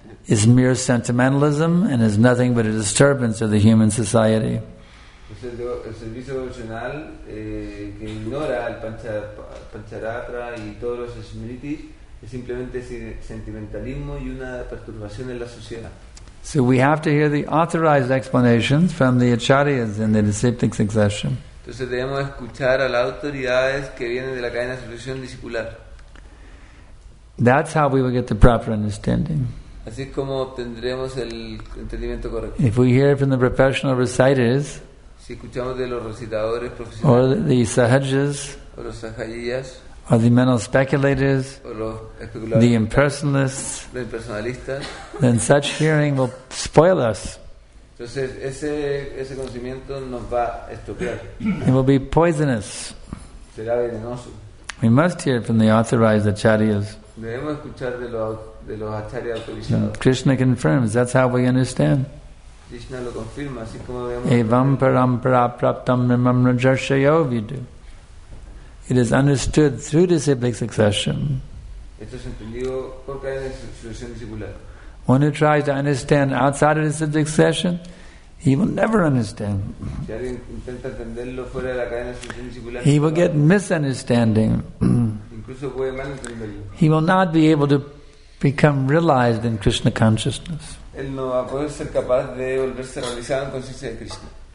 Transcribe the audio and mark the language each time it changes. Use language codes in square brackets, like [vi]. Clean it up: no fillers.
[en] is mere sentimentalism and is nothing but a disturbance of the human society. [es] El servicio devocional que ignora al Pancharatra y todos los smritis es simplemente sentimentalismo y una perturbación en la sociedad. [en] So we have to hear the authorized explanations from the acharyas in the disciplic succession. [es] Entonces debemos escuchar a las autoridades que vienen de la cadena de sucesión discipular. [en] That's how we will get the proper understanding. [es] Así es como obtendremos el entendimiento correcto. [en] If we hear from the professional reciters, [es] si escuchamos de los recitadores profesionales, [en] or the sahajas, [es] o los sahajiyas, [en] or the mental speculators, [es] o los especuladores, [en] the impersonalists, [es] los impersonalistas, [en] then such hearing will spoil us. [es] Entonces ese conocimiento nos va a estropear. [en] It will be poisonous. [es] Será venenoso. [en] We must hear from the authorized acharyas. [es] Debemos escuchar de los acharyas autorizados. [en] Krishna confirms. That's how we understand. [es] Krishna lo confirma, así como [sa] evam parampara praptam mimam rajasyo vidu. [en] It is understood through disciplic succession. [es] Esto es entendido por cadena de sucesión discipular. [en] One who tries to understand outside of the disciplic succession, he will never understand. [es] Si alguien intenta entenderlo fuera de la cadena de sucesión discipular, [en] he will get misunderstanding. [es] Incluso puede malentenderlo. [en] He will not be able to become realized in Krishna consciousness. [es] Él no va a poder ser capaz de volverse realizado en conciencia de Krishna.